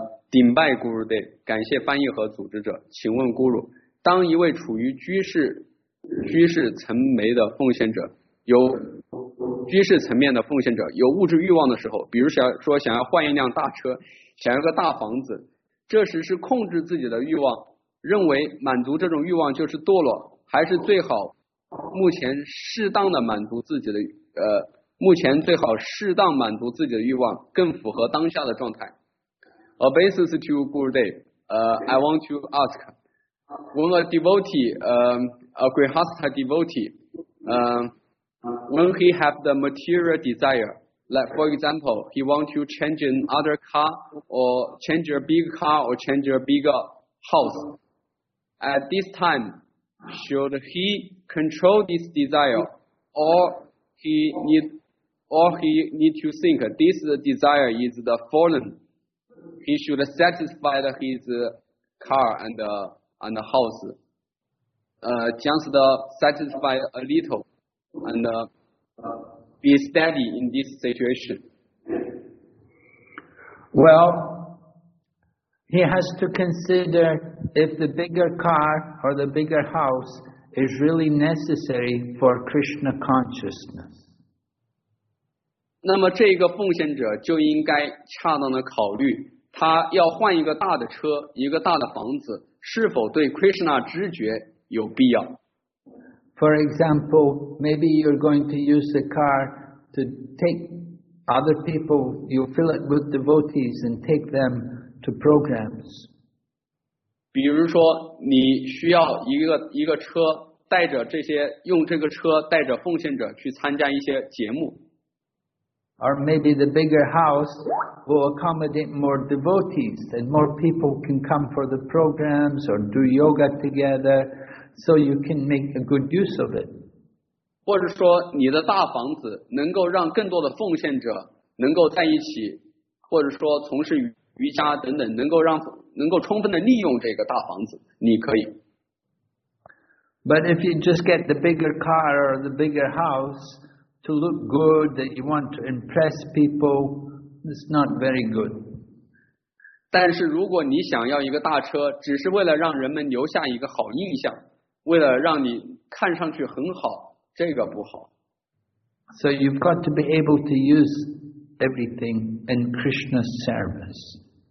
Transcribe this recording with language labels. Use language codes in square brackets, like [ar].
[zh] 顶拜咕噜的感谢翻译和组织者，请问咕噜，当一位处于居士层眉的奉献者，有居士层面的奉献者有物质欲望的时候，比如想要换一辆大车，想要个大房子，这时是控制自己的欲望，认为满足这种欲望就是堕落，还是最好目前适当的满足自己的目前最好适当满足自己的欲望更符合当下的状态？ [en] A basis to Gurudev, I want to ask, when a devotee, a Grihastha devotee, when he have the material desire, like for example, he want to change an other car, or change a big car, or change a bigger house, at this time, should he control this desire, or he need to think, this desire is the fallen,He should satisfy his car and house. Just satisfy a little. and be steady in this situation. Well, he has to consider if the bigger car or the bigger house is really necessary for Krishna consciousness. [zh] 那么这个奉献者就应该恰当的考虑，他要换一个大的车，一个大的房子，是否对 Krishna 知觉有必要。 [en] For example, maybe you're going to use the car to take other people, you fill it with devotees and take them to programs. [zh] 比如说你需要一个车带着这些，用这个车带着奉献者去参加一些节目。 [en] Or maybe the bigger house will accommodate more devotees and more people can come for the programs or do yoga together, so you can make a good use of it. [zh] 或者说你的大房子能够让更多的奉献者能够在一起，或者说从事瑜伽等等，能够充分的利用这个大房子，你可以。 [en] But if you just get the bigger car or the bigger house,to look good, that you want to impress people, it's not very good. [zh] 但是如果你想要一个大车，只是为了让人们留下一个好印象，为了让你看上去很好，这个不好。 [en] So you've got to be able to use everything in Krishna's service.